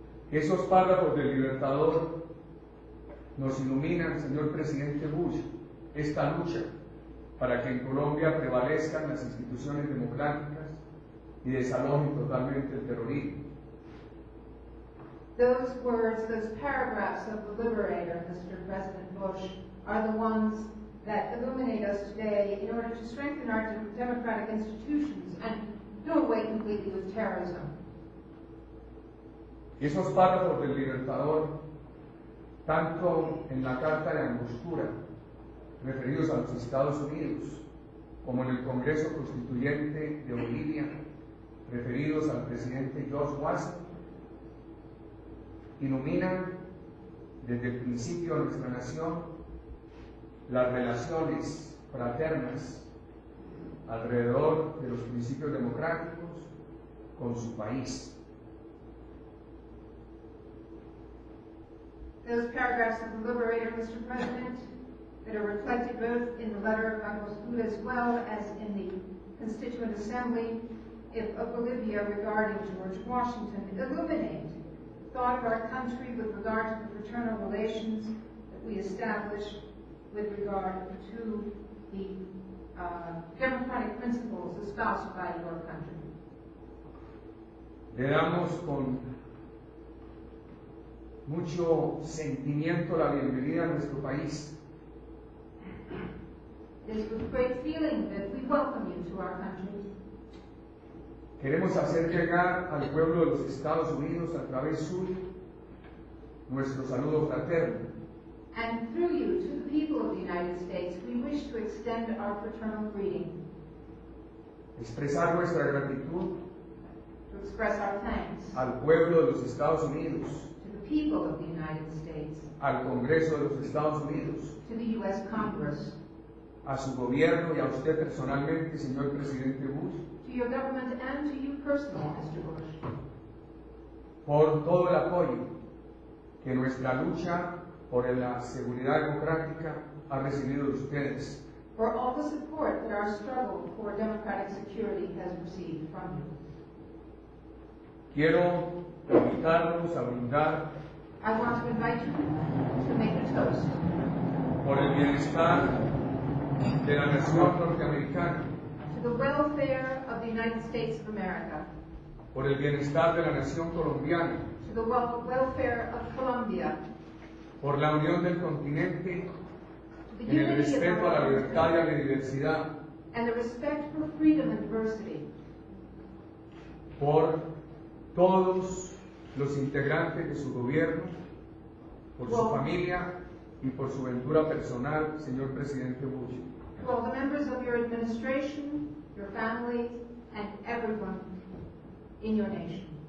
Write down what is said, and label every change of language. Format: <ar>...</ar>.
<es>Esos párrafos del Libertador nos iluminan, señor presidente Bush, esta lucha para que en Colombia prevalezcan las instituciones democráticas y desalojen totalmente el terrorismo.</es> <en>Those words, those paragraphs of the Liberator, Mr. President Bush, are the ones that illuminate us today in order to strengthen our democratic institutions and do away completely with terrorism.</en> <es>Esos párrafos del Libertador, tanto en la Carta de Angostura, referidos a los Estados Unidos, como en el Congreso Constituyente de Bolivia, referidos al presidente George Washington, iluminan desde el principio de nuestra nación las relaciones fraternas alrededor de los principios democráticos con su país.</es> <en>Those paragraphs of the Liberator, Mr. President, that are reflected both in the letter of Carlos Gould as well as in the Constituent Assembly of Bolivia regarding George Washington, illuminate thought of our country with regard to the fraternal relations that we establish with regard to the democratic principles espoused by your country.</en> <es>Le damos con mucho sentimiento la bienvenida a nuestro país.</es> <en>It's with great feeling that we welcome you to our country.</en> <es>Queremos hacer llegar al pueblo de los Estados Unidos a través suyo nuestro saludo fraterno.</es> <en>And through you to the people of the United States, we wish to extend our fraternal greeting.</en> <es>Expresar nuestra gratitud.</es> <en>To express our thanks.</en> <es>Al pueblo de los Estados Unidos.</es> <en>To the people of the United States.</en> <es>Al Congreso de los Estados Unidos.</es> <en>To the U.S. Congress.</en> <es>A su gobierno y a usted personalmente, señor presidente Bush.</es> <en>To your government and to you personally, Mr. Bush.</en> <es>Por todo el apoyo que nuestra lucha por la seguridad democrática ha recibido de ustedes.</es> <en>For all the support that our struggle for democratic security has received from you.</en> <es>Quiero invitarlos a brindar.</es> <en>I want to invite you to make a toast.</en> <es>Por el bienestar de la nación norteamericana.</es> <en>The welfare of the United States of America.</en> <es>Por el bienestar de la nación colombiana.</es> <en>To the welfare of Colombia.</en> <es>Por la unión del continente.</es> <en>The unity</en> <es>en el respeto</es> <en>of</en> <es>a la libertad y a la diversidad.</es> <en>And the respect for freedom and diversity.</en> <es>Por todos los integrantes de su gobierno, por su familia y por su aventura personal, señor presidente Bush.</es> <en>To all the members of your administration, your family, and everyone in your nation.</en>